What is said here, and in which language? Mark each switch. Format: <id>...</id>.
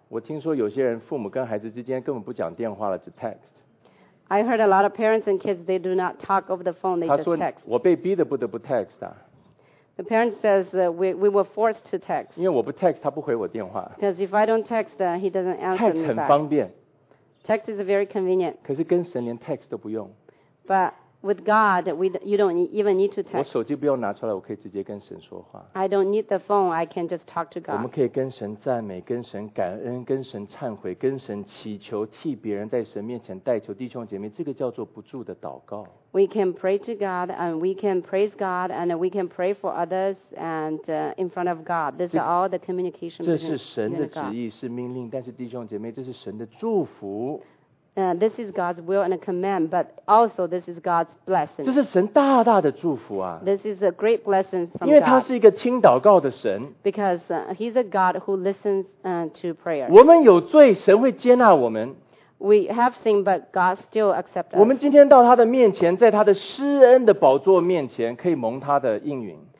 <zh>我听说有些人父母跟孩子之间根本不讲电话了，只 text.</zh> <en>I heard a lot of parents and kids they do not talk over the phone. They just text.</en> <zh>我被逼的不得不 text 啊。</zh> <en>The parent says we were forced to text.</en> <zh>因为我不 text， 他不回我电话。</zh> <en>Because if I don't text, he doesn't answer me back.</en> <zh>Text 很方便。</zh> <en>Text is very convenient.</en> <zh>可是跟神连 text 都不用。</zh> <en>But with God, you don't even need to text.</en> <zh>我手机不用拿出来，我可以直接跟神说话。</zh> <en>I don't need the phone. I can just talk to God.</en> <zh>我们可以跟神赞美，跟神感恩，跟神忏悔，跟神祈求，替别人在神面前代求，弟兄姐妹，这个叫做不住的祷告。</zh> <en>We can pray to God and we can praise God and we can pray for others and in front of God. These are all the communication.</en> <zh>这是神的旨意，是命令，但是弟兄姐妹，这是神的祝福。</zh> <en>This is God's will and a command, but also this is God's blessing.</en> <zh>这是神大大的祝福啊。</zh> <en>This is a great blessing from God.</en> <zh>因为他是一个听祷告的神。</zh> <en>Because he's a God who listens to prayers.</en> <zh>我们有罪，神会接纳我们。</zh> <en>We have sinned, but God still accepts us.</en> <zh>我们今天到他的面前，在他的施恩的宝座面前，可以蒙他的应允。</zh>